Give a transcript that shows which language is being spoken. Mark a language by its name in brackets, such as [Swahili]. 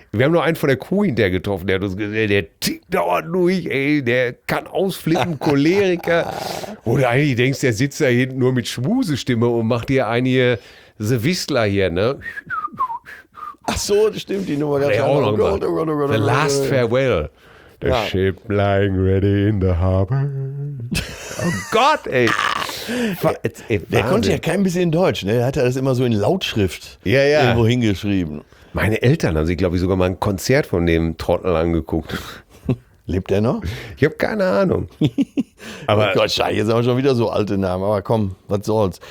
[German] Wir haben nur einen von der Crew hinterher getroffen, der hat uns gesehen, der tickt dauernd durch, ey, der kann ausflippen, Choleriker. Wo du eigentlich denkst, der sitzt da hinten nur mit Schmusestimme und macht dir einige The Whistler hier, ne? Ach so, das stimmt, die Nummer ganz auch noch gemacht. The Last Farewell. [English] The ship lying ready in the harbor. [German] Oh Gott, ey. Der konnte ja kein bisschen Deutsch, ne? Der hat das immer so in Lautschrift irgendwo hingeschrieben. Meine Eltern haben sich, glaube ich, sogar mal ein Konzert von dem Trottel angeguckt. Lebt er noch? Ich habe keine Ahnung. Aber oh Gott, Scheiße, jetzt haben wir schon wieder so alte Namen. Aber komm, was soll's.